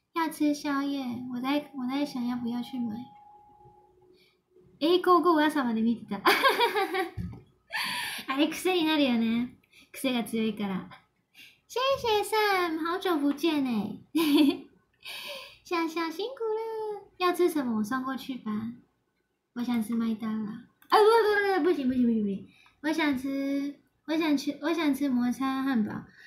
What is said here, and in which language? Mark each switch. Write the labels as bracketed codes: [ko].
[zh] 吃宵夜，我在想要不要去买。 [ja] 哎，ゴーゴー朝まで見てた。あれ癖になるよね。癖が強いから。 [zh] 谢谢 Sam， 好久不见哎。小小辛苦了。要吃什么？我送过去吧。我想吃麦当劳。啊不不不不，不行不行不行不行，我想吃我想吃摩擦汉堡。